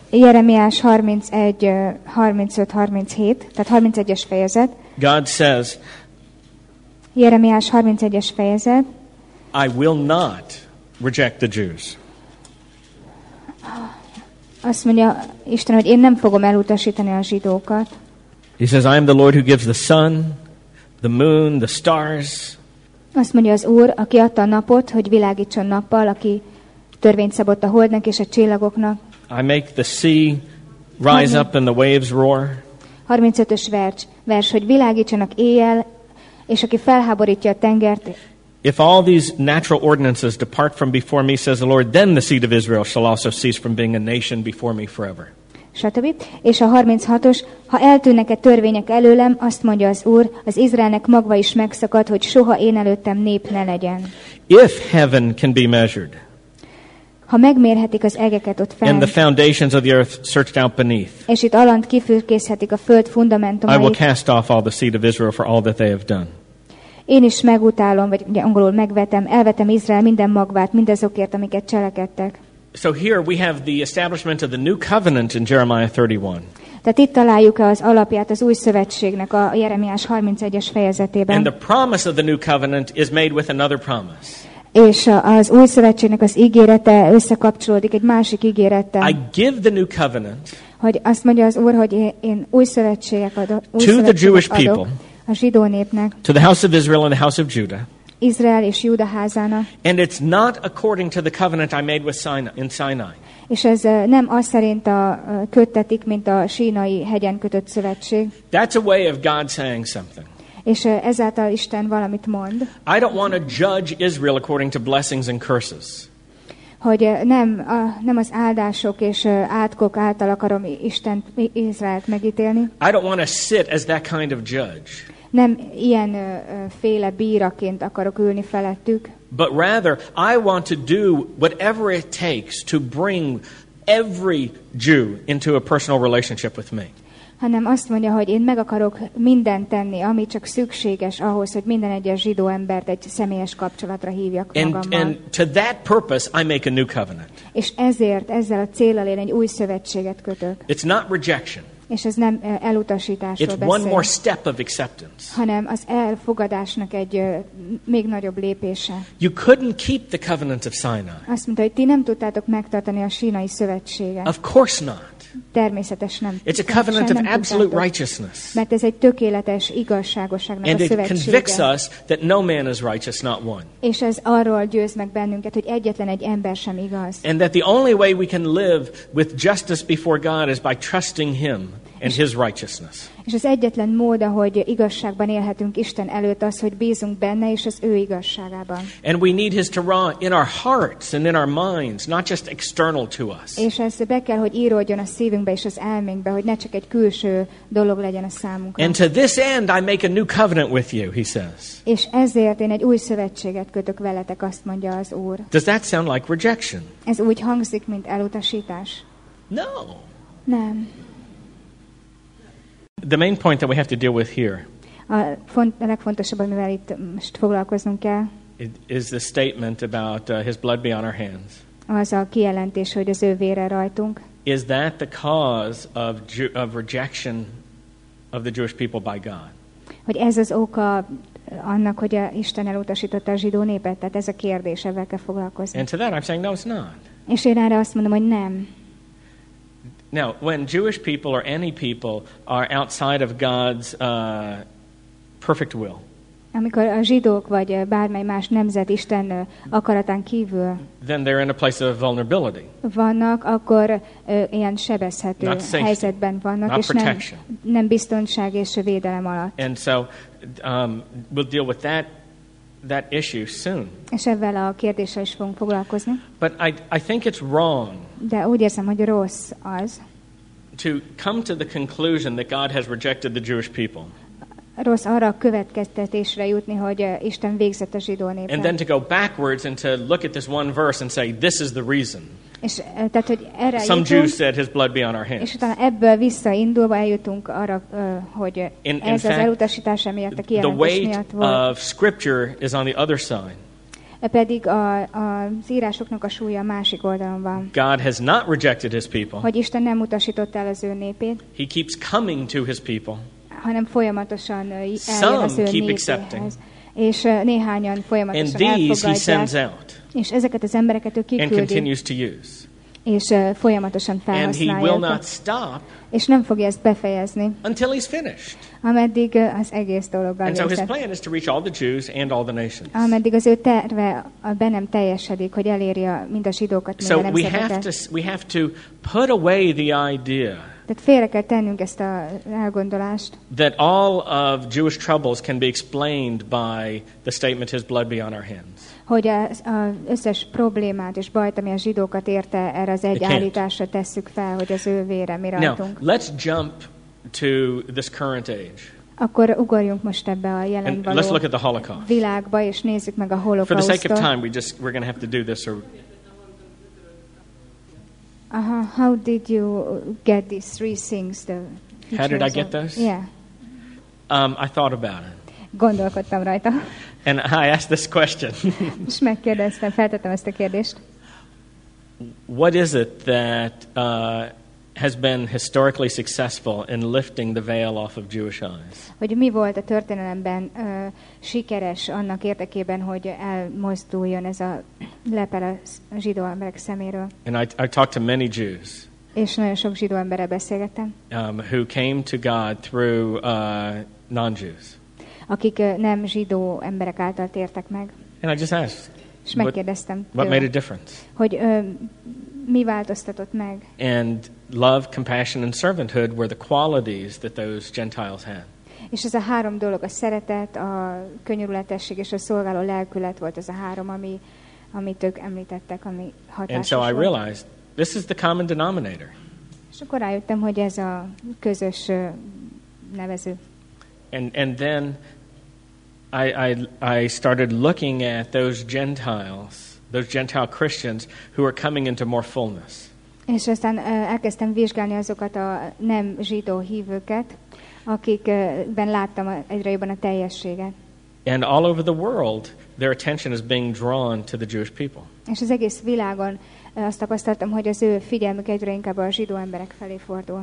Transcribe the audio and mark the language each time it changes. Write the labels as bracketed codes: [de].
[hu] Jeremiás 31, 35, 37, tehát 31-es fejezet. [en] God says, [hu] Jeremiás 31-es fejezet. [en] I will not reject the Jews. [hu] Azt mondja Isten, hogy én nem fogom elutasítani a zsidókat. [en] He says, I am the Lord who gives the sun, the moon, the stars. [hu] Azt mondja az Úr, aki adta a napot, hogy világítson nappal, aki törvényt szabott a holdnak és a csillagoknak. [en] I make the sea rise up and the waves roar. [hu] 35-ös vers, hogy világítsanak éjjel, és aki felháborítja a tengert. [en] If all these natural ordinances depart from before me, says the Lord, then the seed of Israel shall also cease from being a nation before me forever. [hu] És a 36-os, ha eltűnnek-e törvények előlem, azt mondja az Úr, az Izraelnek magva is megszakad, hogy soha én előttem nép ne legyen. [en] If heaven can be measured, [hu] ha megmérhetik az egeket ott fent, [en] and the foundations of the earth searched out beneath, [hu] és itt alant kifürkészhetik a föld fundamentumait, [en] I will cast off all the seed of Israel for all that they have done. [hu] Én is megutálom, vagy ugye angolul megvetem, elvetem Izrael minden magvát, mindazokért, amiket cselekedtek. [en] So here we have the establishment of the new covenant in Jeremiah 31. [hu] Tehát itt találjuk az alapját az új szövetségnek a Jeremiás 31-es fejezetében. [en] And the promise of the new covenant is made with another promise. [hu] És az új szövetségnek az ígérete összekapcsolódik egy másik ígérettel. [en] I give the new covenant. [hu] Hogy azt mondja az Úr, hogy én új szövetségek adok. [en] To the Jewish people. [hu] A zsidó népnek. [en] To the house of Israel and the house of Judah. [hu] Izrael és Júda házának. [en] And it's not according to the covenant I made with Sinai, in Sinai. [hu] És ez nem az szerint a köttetik, mint a Sínai hegyen kötött szövetség. [en] That's a way of God saying something. [hu] És ezáltal Isten valamit mond. [en] I don't want to judge Israel according to blessings and curses. [hu] Hogy nem az áldások és átkok által akarom Isten Izraelt megítélni. [en] I don't want to sit as that kind of judge. [hu] Nem ilyen féle bíraként akarok ülni felettük. [en] But rather, I want to do whatever it takes to bring every Jew into a personal relationship with me. [hu] Hanem azt mondja, hogy én meg akarok mindent tenni, ami csak szükséges ahhoz, hogy minden egyes zsidó embert egy személyes kapcsolatra hívjak magammal. [en] And to that purpose, I make a new covenant. [hu] És ezért, ezzel a céllal én egy új szövetséget kötök. [en] It's not rejection. [hu] És ez nem elutasításról [en] it's [hu] beszél, [en] one more step of acceptance. [hu] Hanem az elfogadásnak egy még nagyobb lépése. [en] You couldn't keep the covenant of Sinai. [hu] Azt mondta, hogy ti nem tudtátok megtartani a sínai szövetséget. [en] Of course not. [hu] Természetes nem. [en] It's a covenant of absolute righteousness. [hu] Mert ez egy tökéletes igazságosságnak [en] and [hu] a szövetsége. [en] And it convicts us that no man is righteous, not one. [hu] És ez arról győz meg bennünket, hogy egyetlen egy ember sem igaz. [en] And that the only way we can live with justice before God is by trusting him. And his righteousness. [hu] És az egyetlen mód, ahogy igazságban élhetünk Isten előtt, az, hogy bízunk benne és az ő igazságában. [en] And we need his Torah in our hearts and in our minds, not just external to us. [hu] És ez be kell, hogy íródjon a szívünkbe és az elménkbe, hogy ne csak egy külső dolog legyen a számunkra. [en] And to this end, I make a new covenant with you, he says. [hu] És ezért én egy új szövetséget kötök veletek, azt mondja az Úr. [en] Does that sound like rejection? [hu] Ez úgy hangzik, mint elutasítás. [en] No. [hu] Nem. [en] The main point that we have to deal with here [hu] a legfontosabb, amivel itt most foglalkoznunk kell, [en] is the statement about his blood be on our hands. [hu] Az a kijelentés, hogy az ő vére rajtunk. [en] Is that the cause of rejection of the Jewish people by God? [hu] Hogy ez az oka annak, hogy a Isten elutasította a zsidó népet, tehát ez a kérdés, ebben kell foglalkozni. [en] And to that I'm saying, no, it's not. [hu] És én erre azt mondom, hogy nem. [en] Now, when Jewish people or any people are outside of God's perfect will. [hu] Amikor a zsidók vagy bármely más nemzet Isten akaratán kívül. [en] Then they're in a place of vulnerability. [hu] Vannak, akkor ilyen sebezhető helyzetben vannak, [en] not [hu] és nem biztonság és védelem alatt. [en] And so we'll deal with that issue soon. [hu] És ezzel a kérdéssel is fogunk foglalkozni. [en] But I think it's wrong. [hu] De úgy érzem, hogy rossz az. [en] To come to the conclusion that God has rejected the Jewish people. [hu] Rossz arra a következtetésre jutni, hogy Isten végzett a zsidó népet. [en] And then to go backwards and to look at this one verse and say, this is the reason. [hu] És tehát, hogy erre [en] some [hu] jutunk, [en] Jews said his blood be on our hands. [hu] És utána ebből visszaindulva eljutunk arra, hogy ez [en] fact, [hu] az elutasítás emiatt, a kijelentés miatt volt. [en] The weight of scripture is on the other side. [hu] Pedig az írásoknak a súlya a másik oldalon van. [en] God has not rejected his people. [hu] Hogy Isten nem utasította el az ő népét. [en] He keeps coming to his people. [hu] Hanem folyamatosan eljön az ő népéhez. És néhányan folyamatosan elfogadják. És ezeket az embereket ő kiküldi. És folyamatosan felhasználja. És nem fogja ezt befejezni. [en] Until he's finished. [hu] Ameddig az egész dolog [en] and so his plan is to reach all the Jews and all the nations. [hu] Ameddig az ő terve bennem teljesedik, hogy elérje mind a zsidókat, mind a nemzeteket. [en] So we have to put away the idea. [hu] Tehát félre kell tennünk ezt az elgondolást. [en] That all of Jewish troubles can be explained by the statement his blood be on our hands. [hu] Hogy az összes problémát és bajt, ami a zsidókat érte, erre az egy állításra tesszük fel, hogy az ő vére mi rajtunk. [en] Now, let's jump to this current age. [hu] Akkor ugorjunk most ebbe a jelen való [en] let's look at the Holocaust. [hu] Világba, és nézzük meg a holokausztot. [en] For the sake of time, we're going to have to do this. How did you get these three things? The how did I get those? Yeah. I thought about it. [hu] Gondolkodtam rajta. [en] And I asked this question. [hu] És megkérdeztem, feltettem ezt a kérdést. [en] What is it that has been historically successful in lifting the veil off of Jewish eyes? [hu] Hogy mi volt a történelemben sikeres annak érdekében, hogy elmozduljon ez a lepel a zsidó emberek szeméről. [en] And I talked to many Jews. [hu] És nagyon sok zsidó emberrel beszélgettem. [en] Who came to God through non-Jews. [hu] Akik nem zsidó emberek által tértek meg. [en] And I just asked. [hu] És megkérdeztem. [en] What made a difference? [hu] Hogy mi változtatott meg? [en] And love, compassion and servanthood were the qualities that those Gentiles had. [hu] És ez a három dolog, a szeretet, a könyörületesség és a szolgáló lelkület volt az a három, amit ők említettek, ami hatásos. [en] And so I realized this is the common denominator. [hu] És akkor rájöttem, hogy ez a közös nevező. [en] And then I started looking at those Gentile Christians who are coming into more fullness. [hu] És aztán elkezdtem vizsgálni azokat a nem zsidó hívőket, akikben láttam egyre jobban a teljességet. [en] And all over the world, their attention is being drawn to the Jewish people. [hu] És az egész világon azt tapasztaltam, hogy az ő figyelmük egyre inkább a zsidó emberek felé fordul.